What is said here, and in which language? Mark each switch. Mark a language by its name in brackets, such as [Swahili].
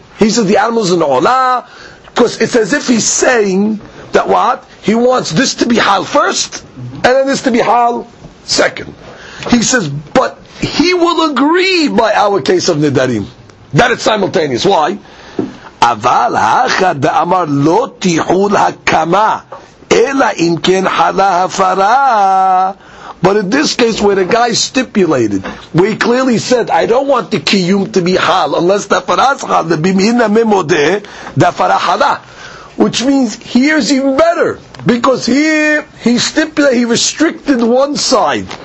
[English] He says, the animal is an ola, because it's as if he's saying that what? He wants this to be hal first, and then this to be hal second. He says, but he will agree by our case of Nedarim, that it's simultaneous. Why? [Hebrew] אבל האחד דאמר לא תיחול הקמה אלא אם כן חלה הפרה. [English] But in this case where the guy stipulated, where he clearly said, I don't want the kiyum to be hal unless the fara is hal, the [Hebrew] bimina memode, [English] the fara hala. Which means here is even better, because here he stipulated, he restricted one side.